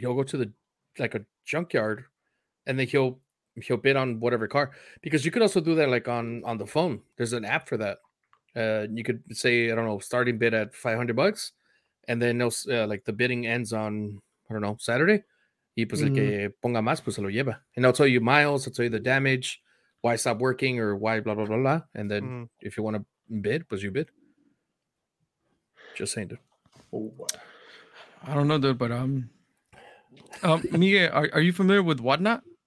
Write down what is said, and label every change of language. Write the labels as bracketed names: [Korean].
[English] He'll go to a junkyard, and then he'll bid on whatever car. Because you could also do that, like, on the phone. There's an app for that. You could say, I don't know, starting bid at $500, and then no, like the bidding ends on, I don't know, Saturday. [Spanish] Y pues el que ponga más, pues se lo lleva. [English] And I'll tell you miles, I'll tell you the damage, why stop working, or why blah, blah, blah, blah. And then if you want to bid, [Spanish] pues [English] you bid. Just saying, dude. I don't know, dude, but Miguel, are you familiar with Whatnot?